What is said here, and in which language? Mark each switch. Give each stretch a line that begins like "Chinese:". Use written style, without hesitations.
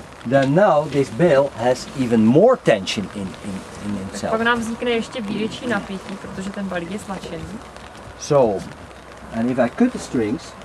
English: Then now this bale has even more tension in itself.
Czech: Tak pak nám vznikne ještě větší napětí, protože ten balík je stlačený.
English: So, and if I cut the strings,